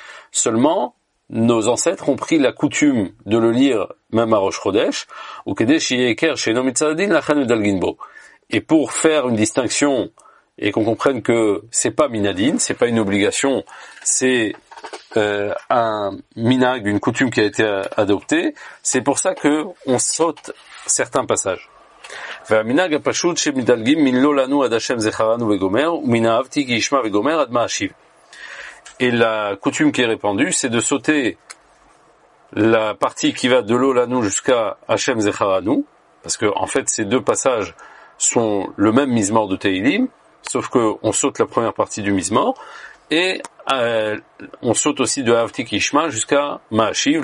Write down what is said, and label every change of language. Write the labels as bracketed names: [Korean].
[French] Seulement, nos ancêtres ont pris la coutume de le lire même à Rosh Chodesh, ou Kedesh Yeker chez Nomitsadin Lachan Udalginbo. Et pour faire une distinction et qu'on comprenne que c'est pas Minadin, c'est pas une obligation, c'est un Minag, une coutume qui a été adoptée, c'est pour ça que on saute certains passages. [Hebrew] והמנהג הפשוט שמדלגים מן לא לנו עד השם זכרנו וגומר ומן אהבתי כי ישמע וגומר עד מאשיב. [French] Et la coutume qui est répandue, c'est de sauter la partie qui va de לא לנו jusqu'à Hashem Zecharanu, parce que en fait ces deux passages sont le même mizmor de Tehilim, sauf que on saute la première partie du mizmor, Et on saute aussi de Avtik Ishma jusqu'à Ma'ashiv.